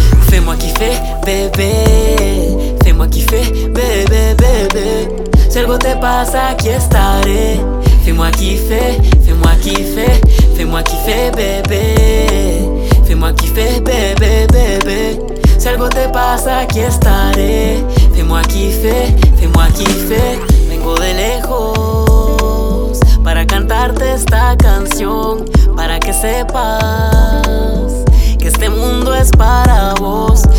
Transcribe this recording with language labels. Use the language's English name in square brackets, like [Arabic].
[French] Fais-moi kiffer, bébé. Fais-moi kiffer, bébé, bébé. [Spanish] Si algo te pasa, aquí estaré. [French] Fais-moi kiffer, fais-moi kiffer. Fais-moi kiffer, bébé. Fais-moi kiffer, bébé, bébé. [Spanish] Si algo te pasa, aquí estaré. [French] Fais-moi kiffer, fais-moi kiffer. [Spanish] Vengo de lejos para cantarte esta canción, para que sepas que este mundo es para vos.